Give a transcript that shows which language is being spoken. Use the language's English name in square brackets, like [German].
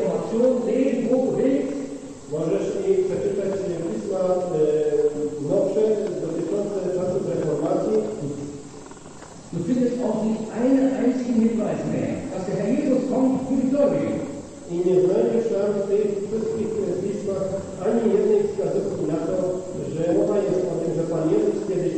[Polish] Możesz i przeczytać pisma nowsze dotyczące czasów reformacji. [German] Du findest auch nicht einen einzigen Hinweis mehr, dass der Herr Jesus kommt für die Gläubigen. [Polish] I nie znajdziesz tam w tych wszystkich pismach ani jednej wskazówki na to, że mowa jest o tym, że Pan Jezus kiedyś